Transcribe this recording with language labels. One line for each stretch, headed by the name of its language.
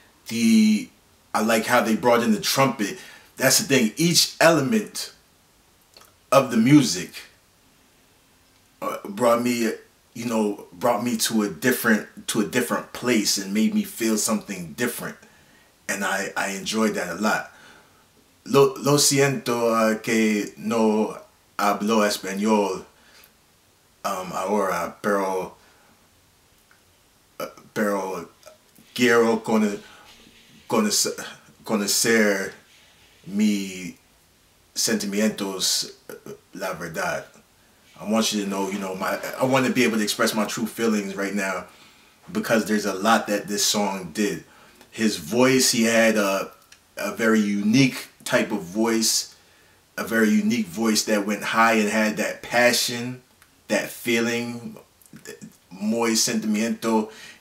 English: I like how they brought in the trumpet. That's the thing. Each element of the music brought me to a different place and made me feel something different. And I enjoyed that a lot.
Spanish: Lo siento que no hablo español ahora, pero quiero conocer mi sentimientos, la verdad.
English: I want you to know, I want to be able to express my true feelings right now, because there's a lot that this song did. His voice, he had a very unique type of voice, a very unique voice that went high and had that passion, that feeling,
Spanish: muy sentimiento.